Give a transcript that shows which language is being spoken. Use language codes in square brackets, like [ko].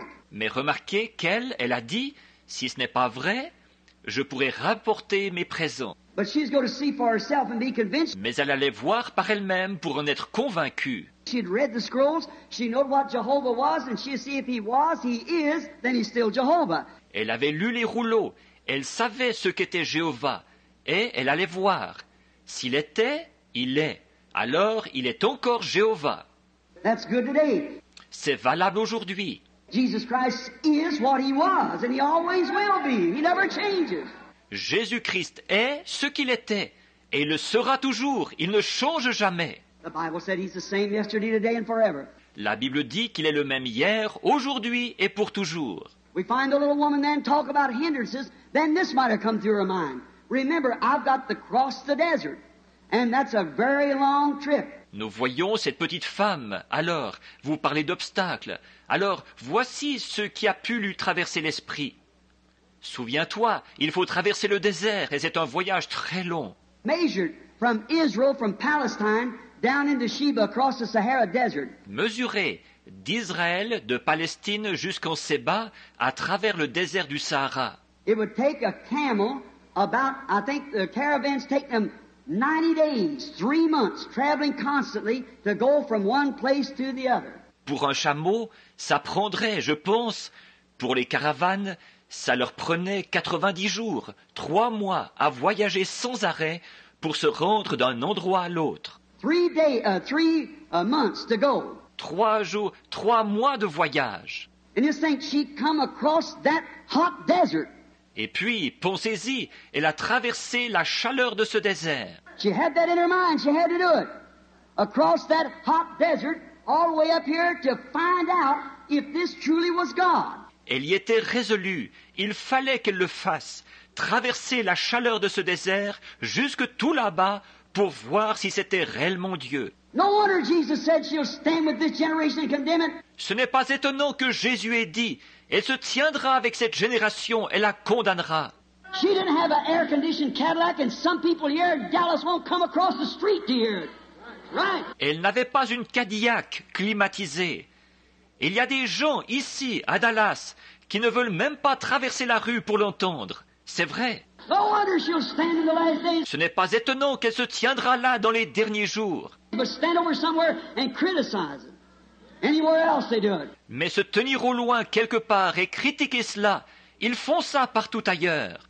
[fr] Mais remarquez qu'elle, elle a dit, si ce n'est pas vrai, je pourrais rapporter mes présents. [en] But she's going to see for herself and be convinced. [fr] Mais elle allait voir par elle-même pour en être convaincue. [en] She had read the scrolls, she knew what Jehovah was, and she'd see if he was, he is, then he's still Jehovah. [fr] Elle avait lu les rouleaux, elle savait ce qu'était Jéhovah, et elle allait voir. S'il était... Il est. Alors, il est encore Jéhovah. [en] That's good today. [fr] c'est valable aujourd'hui. [en] Jesus Christ is what he was, and he always will be. He never changes. [fr] Jésus-Christ est ce qu'il était, et le sera toujours. Il ne change jamais. [en] The Bible said he's the same yesterday, today, and forever. [fr] La Bible dit qu'il est le même hier, aujourd'hui et pour toujours. [en] We find the little woman then talk about hindrances. Then this might have come through her mind. Remember, I've got to cross the desert, and that's a very long trip. [fr] Nous voyons cette petite femme. Alors, vous parlez d'obstacles. Alors, voici ce qui a pu lui traverser l'esprit. Souviens-toi, il faut traverser le désert, et c'est un voyage très long. [en] Measured from Israel, from Palestine, down into Sheba, across the Sahara Desert. [fr] Mesuré d'Israël, de Palestine jusqu'en Séba, à travers le désert du Sahara. [en] It would take a camel about, I think the caravans take them 90 days, 3 months, traveling constantly to go from one place to the other. [fr] Pour un chameau, ça prendrait, je pense, pour les caravanes, ça leur prenait 90 jours, 3 mois à voyager sans arrêt pour se rendre d'un endroit à l'autre. [en] 3 months to go. [fr] 3 jours, 3 mois de voyage. [en] And you think she'd come across that hot desert. [fr] Et puis, pensez-y, elle a traversé la chaleur de ce désert. [en] She had that in her mind, she had to do it. Across that hot desert, all the way up here to find out if this truly was God. [fr] Elle y était résolue, il fallait qu'elle le fasse, traverser la chaleur de ce désert jusque tout là-bas pour voir si c'était réellement Dieu. [en] No wonder Jesus said she'll stand with this generation and condemn it. [fr] Ce n'est pas étonnant que Jésus ait dit, elle se tiendra avec cette génération et la condamnera. [en] She didn't have an air-conditioned Cadillac, and some people here in Dallas won't come across the street to hear it. Right. [fr] Elle n'avait pas une Cadillac climatisée. Il y a des gens ici, à Dallas, qui ne veulent même pas traverser la rue pour l'entendre. C'est vrai. [en] No wonder she'll stand in the last days. [fr] Ce n'est pas étonnant qu'elle se tiendra là dans les derniers jours. [en] But stand over somewhere and criticize it. Anywhere else they do it. Mais se tenir au loin quelque part et critiquer cela, ils font ça partout ailleurs.